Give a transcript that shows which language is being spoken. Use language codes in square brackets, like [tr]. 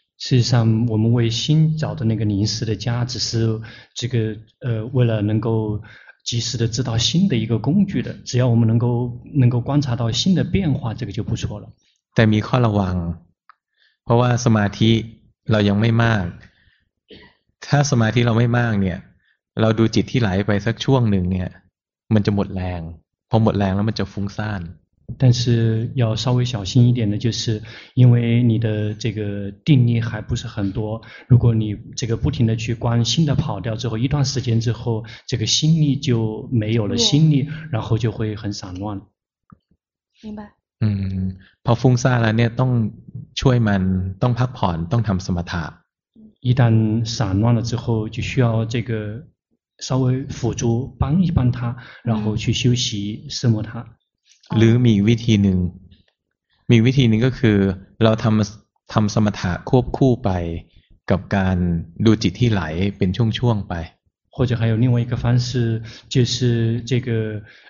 [zh] 事实上我们为心找的那个临时的家只是这个为了能够及时的知道心的一个工具的只要我们能够观察到心的变化这个就不错了 [th] แต่มีข้อระวังเพราะว่าสมาธิเรายังไม่มากถ้าสมาธิเราไม่มากเนี่ยเราดูจิตที่ไหลไปสักช่วงหนึ่งเนี่ยมันจะหมดแรงพอหมดแรงแล้วมันจะฟุ้งซ่าน [zh] 但是要稍微小心一点的就是因为你的这个定力还不是很多如果你这个不停的去关心的跑掉之后一段时间之后这个心力就没有了心力然后就会很散乱明白 [th] พอฟุ้งซ่านแล้วเนี่ยต้องช่วยมันต้องพักผ่อนต้องทำสมถะ [zh] 一旦散乱了之后就需要这个稍微辅助帮一帮他然后去休息什么他 [th] หรือมีวิธีหนึ่งมีวิธีหนึ่งก็คือเราทำสมถะควบคู่ไปกับการดูจิตที่ไหลเป็นช่วงๆไป [zh] 或者还有另外一个方式就是这个